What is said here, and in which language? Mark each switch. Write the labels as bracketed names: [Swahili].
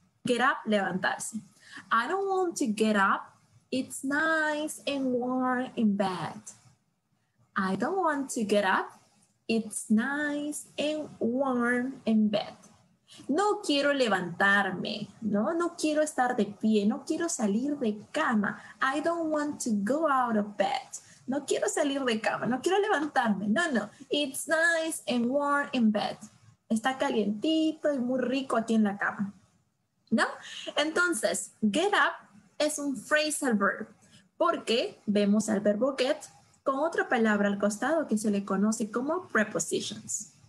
[English] Get up, levantarse. I don't want to get up. It's nice and warm in bed. I don't want to get up. It's nice and warm in bed. [Spanish] No quiero levantarme, ¿no? No quiero estar de pie, no quiero salir de cama. [English] I don't want to go out of bed. [Spanish] No quiero salir de cama, no quiero levantarme. No, no. [English] It's nice and warm in bed. [Spanish] Está calientito y muy rico aquí en la cama, ¿no? Entonces, get up es un phrasal verb porque vemos al verbo get con otra palabra al costado que se le conoce como prepositions.